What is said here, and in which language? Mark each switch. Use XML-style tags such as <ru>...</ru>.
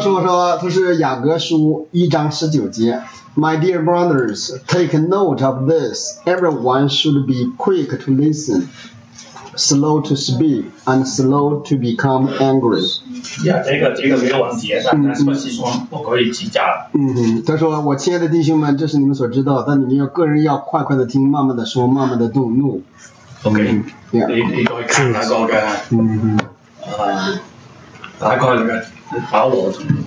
<zh>说说，他是雅各书一章十九节。</zh> <en>My dear brothers, take note of this. Everyone should be quick to listen, slow to speak, and slow to become angry.</en> <zh>Yeah, 这个没有问题，但是是说不可以急躁。他说，我亲爱的弟兄们，这是你们所知道，但你们要个人要快快的听，慢慢的说，慢慢的动怒。 OK， 你可以看大概的，大概的把握住。</zh>